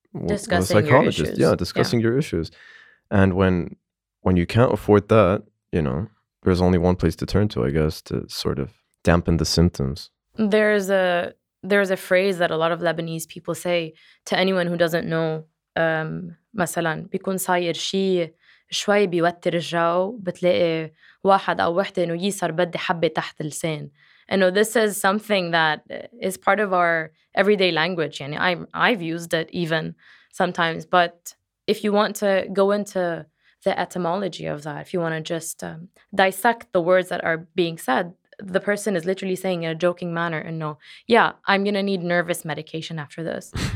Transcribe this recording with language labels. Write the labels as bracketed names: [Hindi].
[English] discussing a psychologist. Your issues. Yeah, discussing your issues. And when you can't afford that, you know, there's only one place to turn to, I guess, to sort of dampen the symptoms. There's a phrase that a lot of Lebanese people say to anyone who doesn't know. [Arabic] مثلاً بيكون صاير شيء شوي بيوتر الجو بتلاقي واحد أو واحدة إنه يصير بدي حبة تحت اللسان. [English] And this is something that is part of our everyday language. يعني I've used it even sometimes. But if you want to go into the etymology of that, if you want to just dissect the words that are being said, the person is literally saying in a joking manner, and no, yeah, I'm going to need nervous medication after this.